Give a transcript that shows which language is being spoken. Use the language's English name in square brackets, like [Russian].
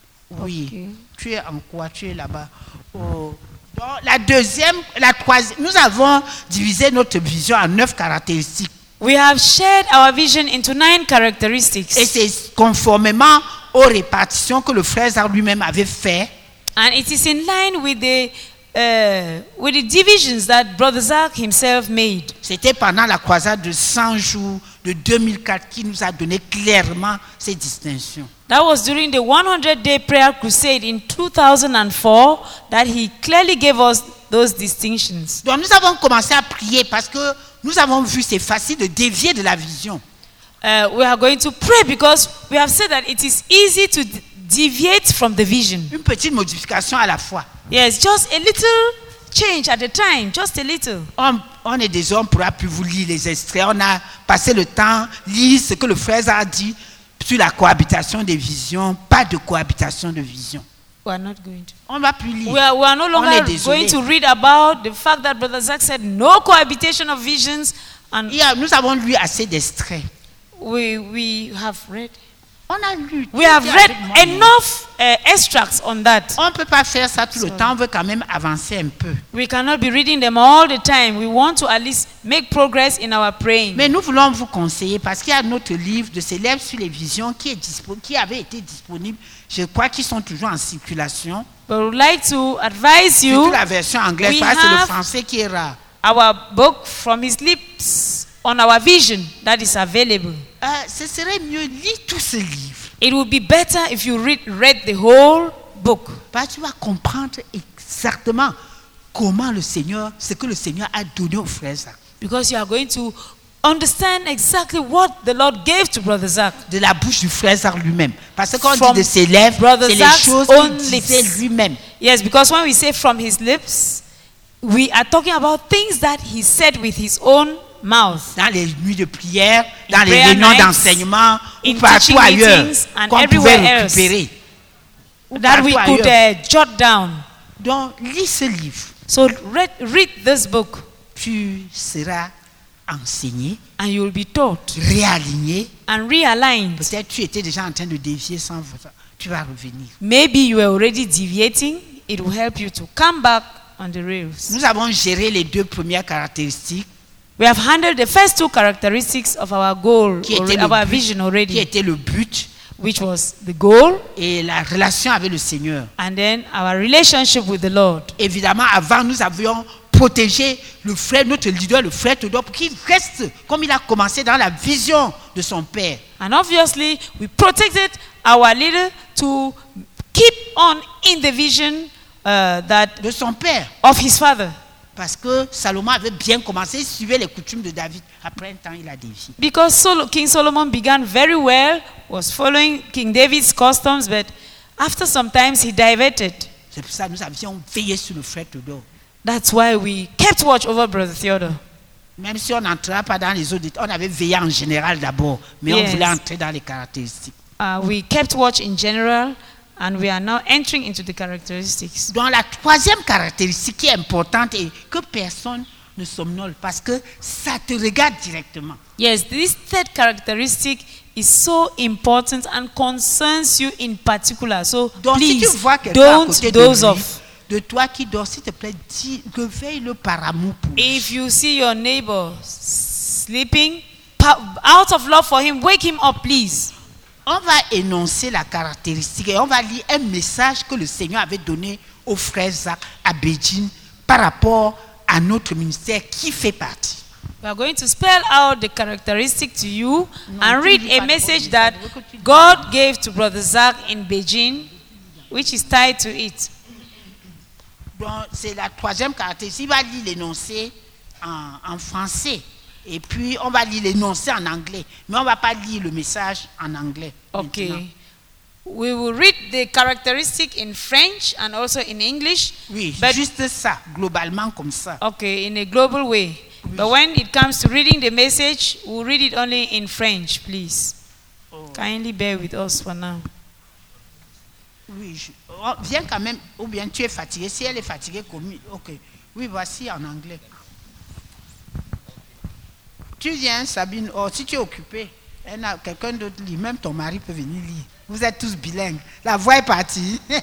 [French] Oui. Okay. Tu es en quoi? Tu es là-bas. Donc, la troisième, nous avons divisé notre vision en 9 caractéristiques. [English] We have shared our vision into 9 characteristics. [French] Et c'est conformément aux répartitions que le frère lui-même avait fait. [English] And it is in line with the with the divisions that Brother Zach himself made. [French] C'était pendant la croisade de 100 jours de 2004 qui nous a donné clairement ces distinctions. [English] That was during the 100-day prayer crusade in 2004 that he clearly gave us those distinctions. [French] Donc nous avons commencé à prier parce que nous avons vu c'est facile de dévier de la vision. [English] We are going to pray because we have said that it is easy to deviate from the vision. [French] Une petite modification à la fois. [English] Yes, just a little change at the time, just a little. [French] On est des hommes, on pourra plus vous lire les extraits. On a passé le temps, lire ce que le frère a dit sur la cohabitation des visions. Pas de cohabitation de vision. [English] We are not going to. [French] On va plus lire. [English] We are no longer going to read about the fact that Brother Zach said no cohabitation of visions. And [French] yeah, nous avons lu assez d'extraits. [English] We have read. [French] On a lu. [English] We have read enough extracts on that. [French] On peut pas faire ça tout le temps. On veut quand même avancer un peu. [English] We cannot be reading them all the time. We want to at least make progress in our praying. [French] Mais nous voulons vous conseiller parce qu'il y a notre livre de célèbres sur les visions qui avait été disponible. Je crois qu'ils sont toujours en circulation. [English] But we'd like to advise you. [French] Surtout la version anglaise, parce que c'est le français qui est rare. [English] Our book from his lips on our vision that is available. [French] Ce serait mieux lire tout ce livre. [English] It would be better if you read the whole book. [French] Parce que tu vas comprendre exactement comment le Seigneur, ce que le Seigneur a donné au frère Zach. [English] Because you are going to understand exactly what the Lord gave to Brother Zach. [French] De la bouche du frère Zach lui-même. Parce que quand on dit de ses lèvres, [English] Brother [French] c'est [English] Zach's [French] les choses [English] own [French] qu'il [English] lips. [French] Disait lui-même. [English] Yes, because when we say from his lips, we are talking about things that he said with his own mouth. [French] Dans les nuits de prière, dans les réunions d'enseignement, ou partout ailleurs, qu'on pouvait récupérer. [English] That we could jot down. [French] Donc, lis ce livre. [English] So read this book. [French] Tu seras enseigné. [English] And you will be taught. [French] Réaligné. [English] And realigned. [French] Peut-être tu étais déjà en train de dévier sans vouloir. Tu vas revenir. [English] Maybe you are already deviating. It will help you to come back on the rails. [French] Nous avons géré les deux premières caractéristiques. [English] We have handled the first two characteristics of our goal, our vision already. [French] Qui était le but? [English] Which was the goal, [French] et la relation avec le Seigneur. [English] And then our relationship with the Lord. [French] Évidemment, avant, nous avions protégé le frère, notre leader, le frère Théodore, pour qu'il reste comme il a commencé dans la vision de son père. [English] And obviously, we protected our leader to keep on in the vision that [French] de son père. [English] Of his father. [French] Parce que Salomon avait bien commencé, il suivait les coutumes de David. Après un temps, il a dévié. [English] Because King Solomon began very well, was following King David's customs, but after some times he diverted. [French] C'est pour ça que nous avions veillé sur le frère Théodore. [English] That's why we kept watch over Brother Theodore. [French] Même si on n'entrait pas dans les audits, on avait veillé en général d'abord, mais yes. On voulait entrer dans les caractéristiques. [English] We kept watch in general. And we are now entering into the characteristics. [French] Dans la troisième caractéristique qui est importante et que personne ne somnole parce que ça te regarde directement. [English] Yes, this third characteristic is so important and concerns you in particular. So [French] donc, [English] please, [French] si tu vois [English] don't [French] à côté [English] doze [French] de lui, [English] off. [French] De toi qui dors, s'il te plaît, dis que veille-le par amour pour lui. [English] If you see your neighbor sleeping, out of love for him, wake him up, please. [French] On va énoncer la caractéristique et on va lire un message que le Seigneur avait donné au frère Zach à Beijing par rapport à notre ministère qui fait partie. [English] We are going to spell out the characteristic to you and read a message that God gave to Brother Zach in Beijing, which is tied to it. [French] Donc, c'est la troisième caractéristique. Il va lire l'énoncé en français. Et puis, on va lire l'énoncé en anglais. Mais on ne va pas lire le message en anglais. OK. Maintenant. [English] We will read the characteristic in French and also in English. [French] Oui, but juste ça, globalement comme ça. [English] OK, in a global way. Oui. But when it comes to reading the message, we'll read it only in French, please. Oh. Kindly bear with us for now. [French] Oui, viens quand même, ou bien tu es fatigué. Si elle est fatiguée, comme... OK. Oui, voici en anglais. Tu viens, Sabine. Oh, si tu es occupée, quelqu'un d'autre lit. Même ton mari peut venir lire. Vous êtes tous bilingues. La voix est partie.